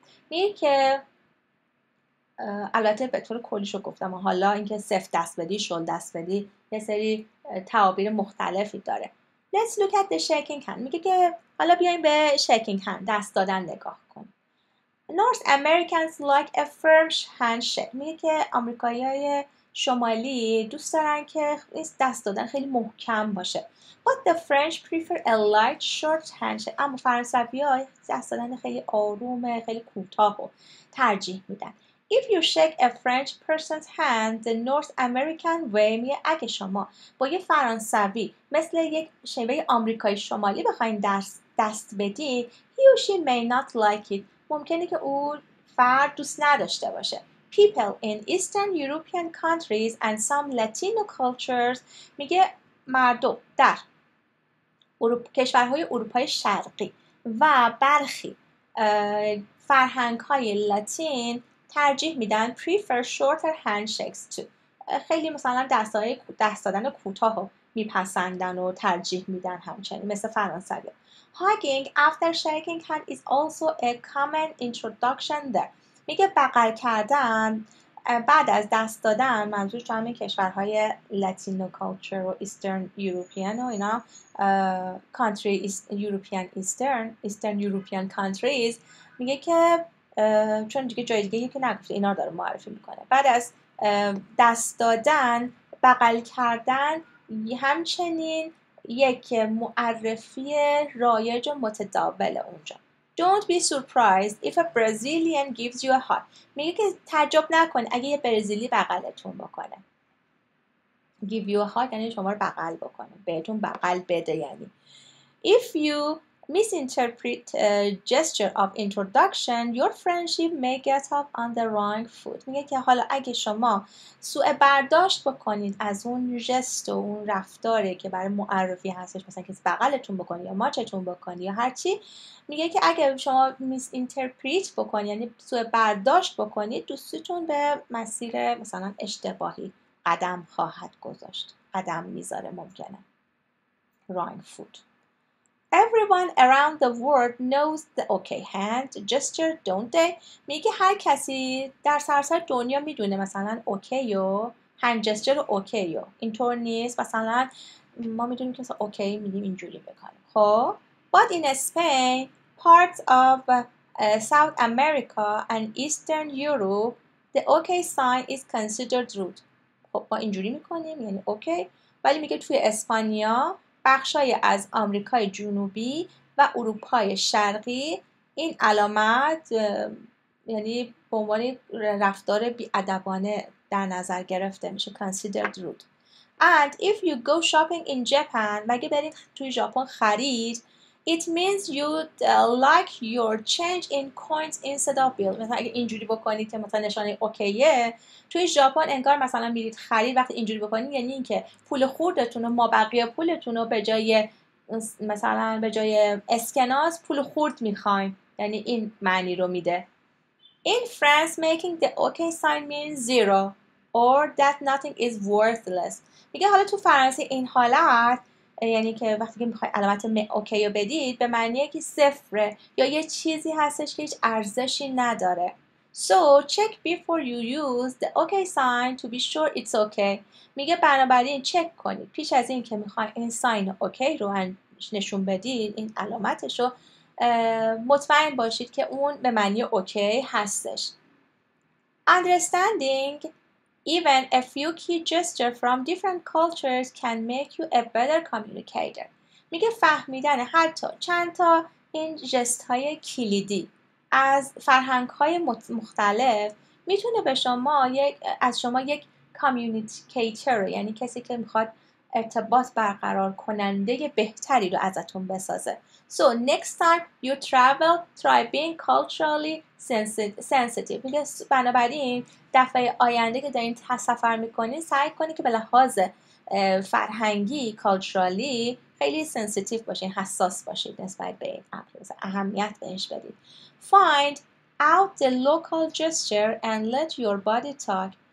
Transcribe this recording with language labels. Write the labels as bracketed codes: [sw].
[fa] میگه که البته به طور کلیشو گفتم حالا اینکه سفت دست بدی شل دست بدی یه سری تعابیر مختلفی داره. [en] Let's look at the shaking hand. [fa] میگه که حالا بیاییم به shaking hand دست دادن نگاه کن. [en] North Americans like a firm handshake. [fa] میگه که آمریکایی‌های شمالی دوست دارن که این دست دادن خیلی محکم باشه. [en] But the French prefer a light, short handshake. [fa] اما فرانسوی‌ها دست دادن خیلی آروم، خیلی کوتاه رو ترجیح میدن. [en] If you shake a French person's hand the North American way, [fa] میگه اگه شما با یه فرانسوی مثل یک شیوه آمریکایی شمالی بخواید دست بدی، [en] he or she may not like it. [fa] ممکنه که او فرد دوست نداشته باشه. [en] People in Eastern European countries and some Latino cultures [fa] میگه مردم در اروپا، کشورهای اروپای شرقی و برخی فرهنگ‌های لاتین ترجیح میدن [en] prefer shorter handshakes too. [fa] خیلی مثلا دست دادن کوتاه میپسندن و ترجیح میدن همچنین مثل فرانسوی. [en] Hugging after shaking hand is also a common introduction there. [fa] میگه بغل کردن بعد از دست دادن منظور تو همین کشورهای لاتینو کالچر و ایسترن یورپین و اینا کانتری یورپین ایسترن یورپین کانتریز. میگه که چون دیگه جای دیگه که نگفته اینا داره معرفی میکنه. بعد از دست دادن بغل کردن همچنین یک معرفی رایج و متداول اونجا. [en] Don't be surprised if a Brazilian gives you a hug. [fa] میگه که تعجب نکن اگه یه برزیلی بغلتون بکنه. [en] Give you a hug [fa] یعنی شما رو بغل بکنه. بهتون بغل بده یعنی. [en] If you misinterpret gesture of introduction, your friendship may get off on the wrong foot. [fa] میگه که حالا اگه شما سوء برداشت بکنید از اون جست و اون رفتاری که برای معرفی هستش، مثلا کسی بغلتون بکنی یا ماچتون بکنی یا هرچی، میگه که اگه شما misinterpret بکنید یعنی سوء برداشت بکنید، دوستتون به مسیر مثلا اشتباهی قدم خواهد گذاشت، قدم میذاره ممکنه. [en] Wrong foot. Everyone around the world knows the okay hand gesture, don't they? [fa] میگه هر کسی در سراسر دنیا میدونه مثلا اوکی و هند جستر اوکی و اینطور نیست. مثلا ما میدونیم که مثلا اوکی میگیم اینجوری بکنیم. خب [en] But in Spain, parts of South America and Eastern Europe, the okay sign is considered rude. [fa] خب ما اینجوری میکنیم یعنی اوکی، ولی میگه توی اسپانیا بخشای از آمریکای جنوبی و اروپای شرقی این علامت یعنی به عنوان رفتار بی‌ادبانه در نظر گرفته میشه [en] considered rude. And if you go shopping in Japan, [fa] مگه برید توی ژاپن خرید, [en] it means you'd like your change in coins instead of bill. [fa] مثلا اگه اینجوری بکنید که مثلا نشانه اوکیه, توی ژاپن انگار مثلا میرید خرید, وقتی اینجوری بکنید یعنی اینکه پول خوردتون و مابقی پولتون رو به جای مثلا به جای اسکناس پول خورد میخواین, یعنی این معنی رو میده. [en] In France, making the okay sign means zero or that nothing is worthless. [fa] میگه حالا تو فرانسه این حالت, یعنی که وقتی که میخواید علامت اوکی رو بدید, به معنیه که صفره یا یه چیزی هستش که هیچ ارزشی نداره. [en] So check before you use the okay sign to be sure it's okay. [fa] میگه بنابراین چک کنید پیش از این که میخواید این sign اوکی رو نشون بدید, این علامتش رو, مطمئن باشید که اون به معنی اوکی هستش. [en] Understanding even a few key gestures from different cultures can make you a better communicator. [fa] میگه فهمیدن حتی چند تا این جست های کلیدی از فرهنگ های مختلف میتونه به شما یک از شما یک کامیونیکیتر, یعنی کسی که میخواد ارتباط برقرار کننده بهتری رو ازتون بسازه. [en] So next time you travel, try being culturally sensitive. [fa] میگه بنابراین دفعه آینده که دارین سفر میکنین, سعی کنین که به لحاظ فرهنگی culturally خیلی sensitive باشین, حساس باشین نسبت به این امروز, اهمیت بهش بدید. [en] Find out the local gesture and let your body talk.